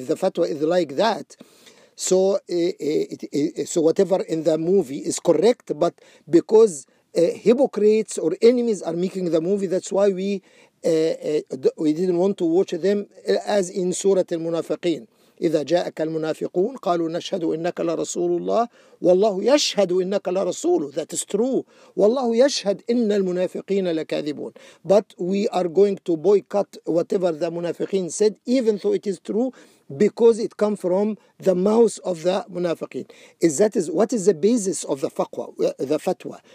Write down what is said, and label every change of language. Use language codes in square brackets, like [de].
[en] If the fatwa is like that, so so whatever in the movie is correct, but because hypocrites or enemies are making the movie, that's why we didn't want to watch them, as in Surah Al-Munafiqeen. [ar] إذا جاءك المنافقون قالوا نشهد إنك لرسول الله والله يشهد إنك لرسوله. [en] That is true. [ar] والله يشهد إن المنافقين لكاذبون. [en] But we are going to boycott whatever the منافقين said, even though it is true, because it comes from the mouth of the munafiqin. Is that is what is the basis of the faqwa, the fatwa?